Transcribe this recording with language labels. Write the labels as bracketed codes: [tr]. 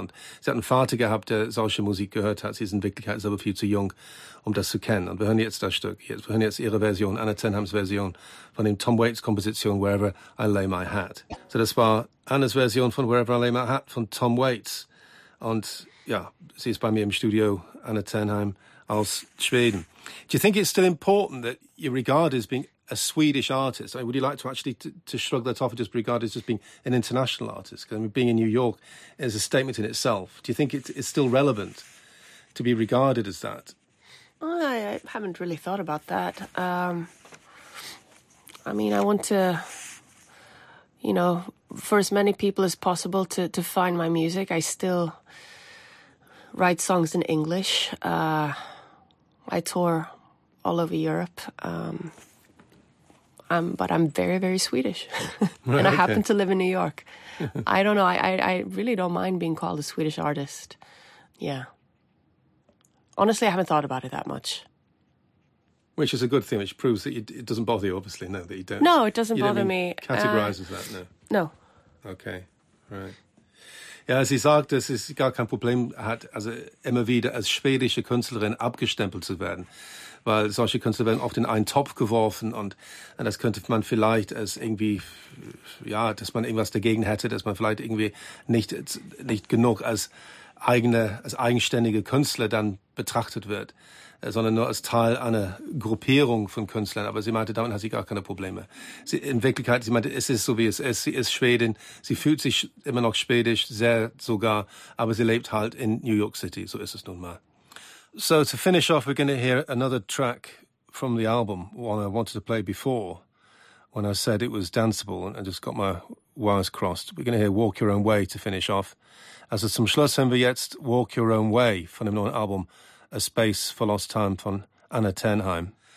[de] Und sie hat einen Vater gehabt, der solche Musik gehört hat. Sie ist in Wirklichkeit aber viel zu jung, um das zu kennen. Und wir hören jetzt das Stück. Wir hören jetzt ihre Version, Anna Tenhams Version von dem Tom Waits Komposition Wherever I Lay My Hat. So das war Annas Version von Wherever I Lay My Hat von Tom Waits. Und ja, sie ist bei mir im Studio, Anna Tenheim aus Schweden. [en] Do you think it's still important that you regard as being a Swedish artist? I mean, would you like to actually to shrug that off and just regard it as just being an international artist? Because I mean, being in New York is a statement in itself. Do you think it's still relevant to be regarded as that? Well, I haven't really thought about that. I mean, I want to, you know, for as many people as possible to find my music. I still write songs in English. I tour all over Europe. But I'm very, very Swedish, right, and I happen to live in New York. I don't know. I really don't mind being called a Swedish artist. Yeah. Honestly, I haven't thought about it that much. Which is a good thing, which proves that it doesn't bother you, obviously, no, that you don't. No, it doesn't bother me. Categorizes that, no? No. Okay, right. [de] Ja, sie sagt, dass es gar kein Problem hat, also immer wieder als schwedische Künstlerin abgestempelt zu werden. Weil solche Künstler werden oft in einen Topf geworfen und das könnte man vielleicht als irgendwie, ja, dass man irgendwas dagegen hätte, dass man vielleicht irgendwie nicht genug als eigenständige Künstler dann betrachtet wird, sondern nur als Teil einer Gruppierung von Künstlern. Aber sie meinte, damit hat sie gar keine Probleme. Sie meinte, es ist so, wie es ist. Sie ist Schwedin. Sie fühlt sich immer noch schwedisch, sehr sogar. Aber sie lebt halt in New York City. So ist es nun mal. [en] So to finish off, we're going to hear another track from the album, one I wanted to play before when I said it was danceable and I just got my wires crossed. We're going to hear Walk Your Own Way to finish off. [de] Also zum Schluss haben wir jetzt Walk Your Own Way von dem neuen Album A Space for Lost Time von Anna Tenheim.